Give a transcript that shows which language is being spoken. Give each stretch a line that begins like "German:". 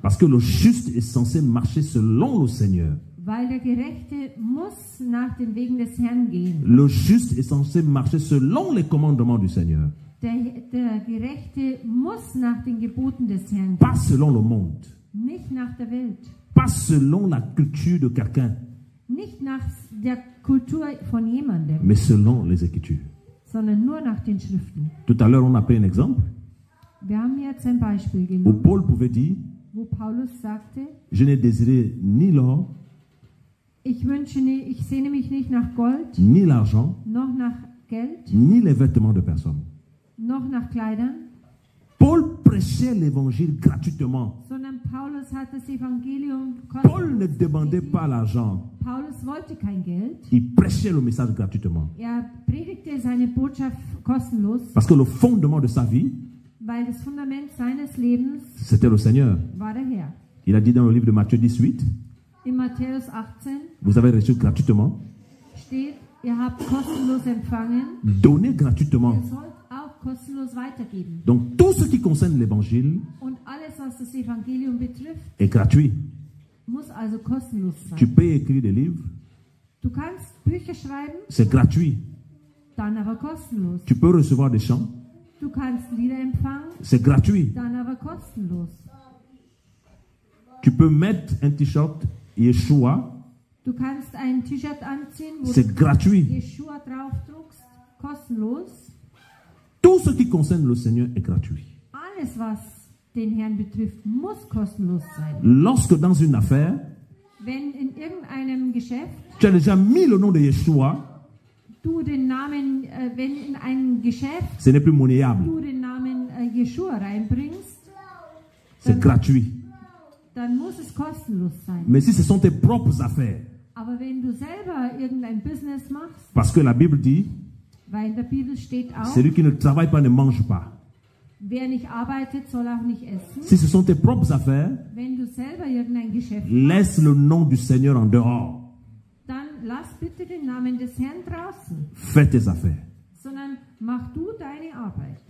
French: Parce que le juste est censé marcher selon le Seigneur.
German: Weil der Gerechte muss nach den Wegen des Herrn gehen.
French: Le juste est censé marcher selon les commandements du Seigneur.
German: Der Gerechte muss nach den Geboten des Herrn gehen.
French: Pas selon le monde.
German: Nicht nach der Welt.
French: Pas selon la culture de quelqu'un.
German: Nicht nach der Kultur von jemandem.
French: Mais selon les Écritures.
German: Sondern nur nach den Schriften.
French: Tout à l'heure, on a pris un exemple.
German: Wir haben jetzt ein Beispiel genommen, wo
French: Paul pouvait dire,
German: wo Paulus sagte,
French: je n'ai désiré ni l'or,
German: ich sehne mich nicht nach Gold,
French: ni l'argent,
German: noch nach Geld,
French: ni les vêtements de personne,
German: noch nach Kleidern.
French: Paul prêchait l'évangile gratuitement.
German: Sondern Paulus hat das Evangelium kostenlos.
French: Paul ne demandait pas l'argent.
German: Paulus wollte kein Geld.
French: Il prêchait le message gratuitement.
German: Er predigte seine Botschaft kostenlos.
French: Parce que le fondement de sa vie,
German: weil das Fundament seines Lebens,
French: c'était le Seigneur.
German: War der Herr.
French: Il a dit dans le livre de Matthieu 18,
German: in Matthäus 18,
French: vous avez reçu gratuitement,
German: steht, Ihr habt kostenlos empfangen.
French: Donnez gratuitement.
German: Ihr sollt auch kostenlos weitergeben.
French: Donc tout ce qui concerne l'évangile.
German: Und alles, was das Evangelium betrifft.
French: Est gratuit.
German: Muss also kostenlos sein.
French: Tu peux écrire des livres.
German: Du kannst Bücher schreiben.
French: C'est gratuit.
German: Dann aber kostenlos.
French: Tu peux recevoir des chants.
German: Du kannst Lieder empfangen.
French: C'est gratuit.
German: Dann aber kostenlos.
French: Tu peux mettre un t-shirt Yeshua.
German: Du kannst ein T-Shirt anziehen, wo
French: c'est gratuit.
German: Yeshua draufdruckst, kostenlos.
French: Tout ce qui concerne le Seigneur est gratuit.
German: Alles, was den Herrn betrifft, muss kostenlos sein.
French: Lorsque dans une affaire,
German: wenn in irgendeinem Geschäft,
French: tu as déjà mis le nom de Yeshua,
German: du den Namen, wenn in einem Geschäft,
French: ce n'est plus monnayable.
German: Du den Namen Yeshua reinbringst,
French: c'est gratuit.
German: Dann muss es kostenlos sein.
French: Mais si ce sont tes propres affaires.
German: Aber wenn du selber irgendein Business machst.
French: Parce que la Bible dit.
German: Weil in der Bibel steht auch.
French: Celui qui ne travaille pas ne mange pas.
German: Wer nicht arbeitet, soll auch nicht essen.
French: Si ce sont tes propres affaires.
German: Wenn du selber irgendein Geschäft machst.
French: Laisse le nom du Seigneur en dehors.
German: Dann lass bitte den Namen des Herrn draußen.
French: Fais tes affaires.
German: Sondern mach du deine Arbeit.